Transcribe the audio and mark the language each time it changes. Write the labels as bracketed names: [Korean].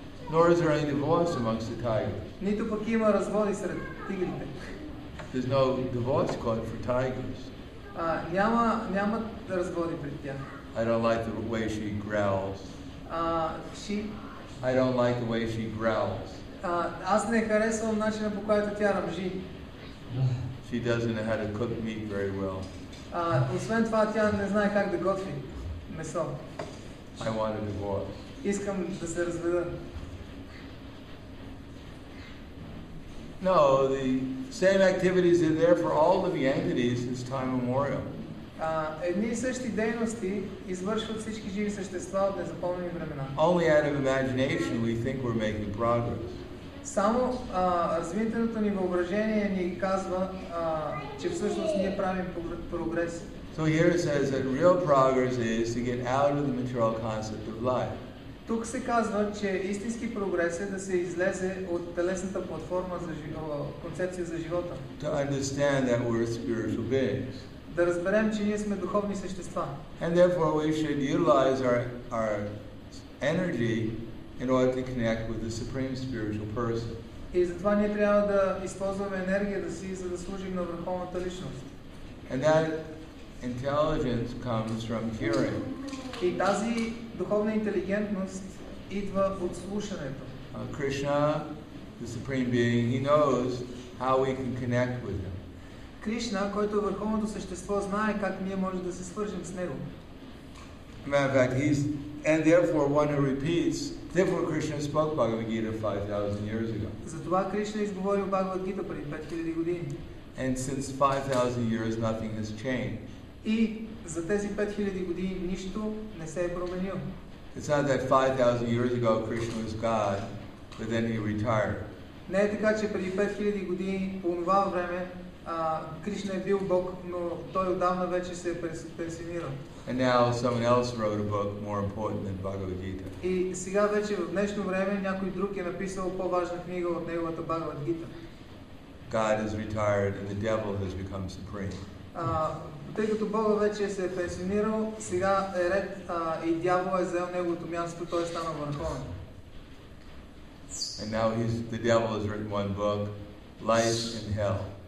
[English] Nor is there any divorce amongst the tigers. [Bulgarian] Нито пък има разводи сред тигрите. [English] There's no divorce court for tigers. [Bulgarian] Няма да разводи пред тях. [English] I don't like the way she growls. I don't like the way she growls. [Bulgarian] Аз не харесвам начина, по който тя ръмжи. [English] She doesn't know how to cook meat very well. [Bulgarian] Освен това, тя не знае как да готви месо. [English] I want a divorce. [Bulgarian] Искам да се разведа. [English] No, the same activities are there for all living entities since time immemorial. [Bulgarian] Едни и същи дейности извършват всички живи същества от незапомнени времена. [English] Only out of imagination we think we're making progress. [Bulgarian] Само развитието ни въображение ни казва, че всъщност ние правим прогрес. [English] So here it says that real progress is to get out of the material concept of life. [Bulgarian] Тук се казва, че истински прогрес е да се излезе от телесната платформа за концепция за живота. [English] To understand that we're spiritual beings. [Bulgarian] Да разберем, че ние сме духовни същества. [English] And therefore we should utilize our energy in order to connect with the supreme spiritual person. [Bulgarian] И затова ние трябва да използваме енергията си, за да служим на върховната личност. [English] And that intelligence comes from hearing. [Bulgarian] И тази духовна интелигентност идва от слушането. [English] Krishna, the supreme being, he knows how we can connect with him. [Bulgarian] Krishna, който е върховното същество, знае как ние можем да се свържем с него. [English] Matter of fact, and therefore one who repeats, therefore Krishna spoke Bhagavad Gita 5000 years ago. [Bulgarian] Затова Кришна изговорил Бхагавад Гита преди 5000 години. [English] And since 5000 years nothing has changed. [Bulgarian] И за тези 5000 години нищо не се е променило. [English] It's not that 5000 years ago Krishna was God, but then he retired. [Bulgarian] Не е така, че преди 5000 години по това време Кришна е бил Бог, но той отдавна вече се е пенсионирал. [English] And now someone else wrote a book more important than Bhagavad Gita. [Bulgarian] И сега вече в днешно време някой друг е написал по-важна книга от неговата Бхагавад Гита. [English] God has retired and the devil has become supreme. [Bulgarian] Тъй като Бога вече се е пенсионирал, сега е ред и дявола е заел неговото място, той е станал върховен. [English] And now the devil has written one book, Life in Hell.